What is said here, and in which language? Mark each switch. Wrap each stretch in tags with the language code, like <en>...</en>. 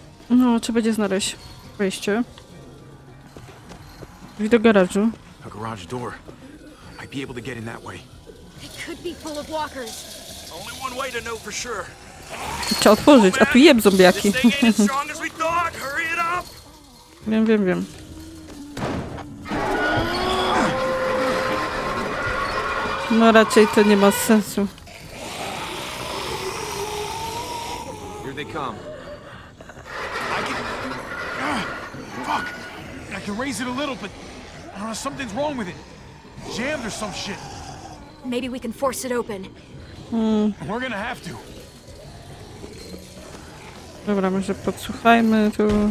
<pl>No, czy będzie znaleźć wejście? Drzwi do garażu.</pl> <en>A garage door. Might be able to get in that way. It could be full of walkers. Only one way to know for sure.</en> <pl>Trzeba otworzyć, a tu jeb zombiaki. Wiem. No raczej to nie ma sensu.</pl> <en>Here they come. Fuck! I can raise it a little, but I don't know, something's wrong with it. Jammed or some shit. Maybe we can force it open. We're gonna have to.</en> <pl>Dobra, może podsłuchajmy tu.</pl>